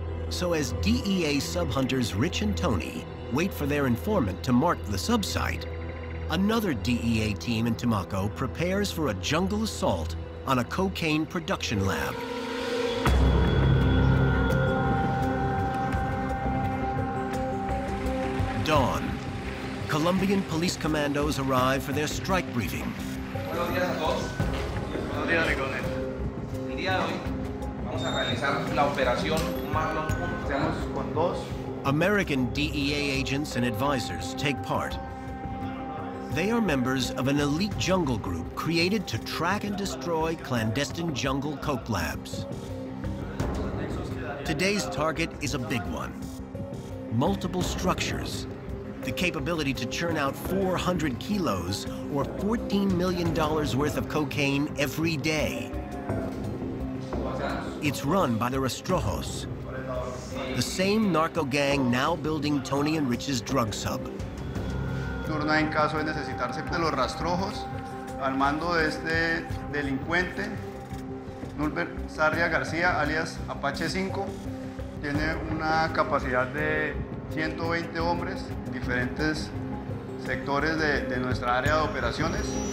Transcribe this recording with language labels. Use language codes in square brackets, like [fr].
[en] So as DEA sub hunters Rich and Tony wait for their informant to mark the subsite, another DEA team in Tumaco prepares for a jungle assault on a cocaine production lab. Dawn. Colombian police commandos arrive for their strike briefing. [es] Buenos días a todos. Buenos días, Ricón. El día de hoy vamos a realizar la operación Marlon. Estamos con dos. [en] American DEA agents and advisors take part. They are members of an elite jungle group created to track and destroy clandestine jungle coke labs. Today's target is a big one. Multiple structures, the capability to churn out 400 kilos or $14 million worth of cocaine every day. It's run by the Rastrojos, the same narco gang now building Tony and Rich's drug sub. [es] Turna en caso de necesitarse de los Rastrojos, al mando de este delincuente, Nulber Sarria García, alias Apache 5, tiene una capacidad de 120 hombres, diferentes sectores de nuestra área de operaciones.